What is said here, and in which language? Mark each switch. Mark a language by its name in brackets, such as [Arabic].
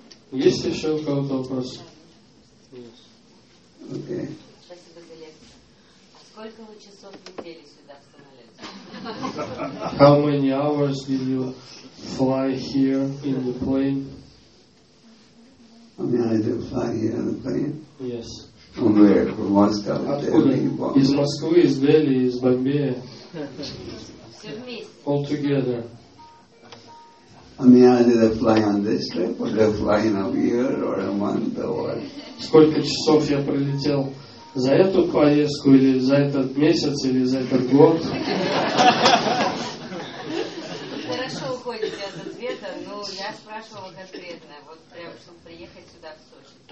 [Russian] Есть еще у кого-то вопрос? Нет. Спасибо за лекцию. Сколько вы часов летели сюда в самолете? [English] How many hours did you fly here in the plane? I mean, I did fly here in the plane? Yes. From where? From Moscow? [Russian] Откуда? Из Москвы, из Дели, из Бомбея. Все вместе. [English] All together. I mean, either they fly on this trip, or they fly in a year, or a month, or... [Russian] Сколько часов я пролетел за эту поездку, или за этот месяц, или за этот год? Хорошо уходите от ответа, но я спрашивала конкретно, вот прям, чтобы приехать сюда, в Сочи.